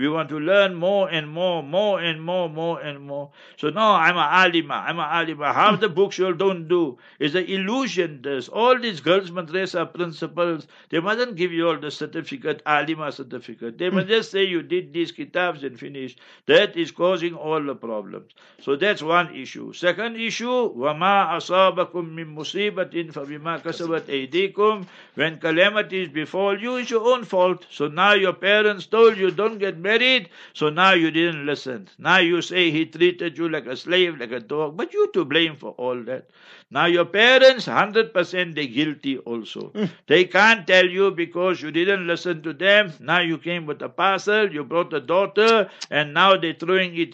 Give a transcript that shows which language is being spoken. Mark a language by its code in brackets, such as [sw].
[en] We want to learn more and more. So no, I'm an alima. Half the books you all don't do is an illusion. This, all these girls' madrasa principals, they mustn't give you all the certificate, alima certificate. They must just say you did these kitabs and finish. That is causing all the problems. So that's one issue. Second issue, [ar] وَمَا أَصَابَكُم مِّن مُصِيبَةٍ فَبِمَا كَسَبَتْ أَيْدِيكُمْ. [en] When calamities befall you, it's your own fault. So now your parents told you don't get married, so now you didn't listen. Now you say he treated you like a slave, like a dog, but you to blame for all that. Now your parents, 100% they're guilty also. They can't tell you because you didn't listen to them. Now you came with a parcel, you brought a daughter, and now they're throwing it.